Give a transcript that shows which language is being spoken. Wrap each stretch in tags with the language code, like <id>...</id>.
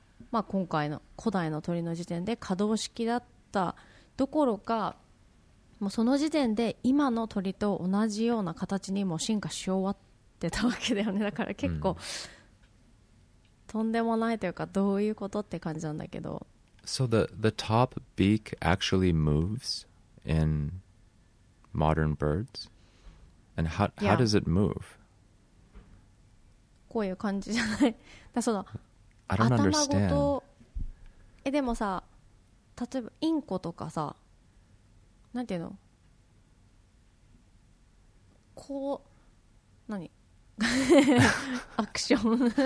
<ja>まあ今回の古代の鳥の時点で可動式だったどころか、もうその時点で今の鳥と同じような形にも進化し終わってたわけだよね。だから結構、とんでもないというか、どういうことって感じなんだけど。</ja> <en>So the top beak actually moves in modern birds? And how does it move?</en> <ja>こういう感じじゃない。だからその、</ja> <en>I don't understand.</en> <ja>頭ごと、でもさ、例えばインコとかさ、なんていうの、こう、何アクション</ja>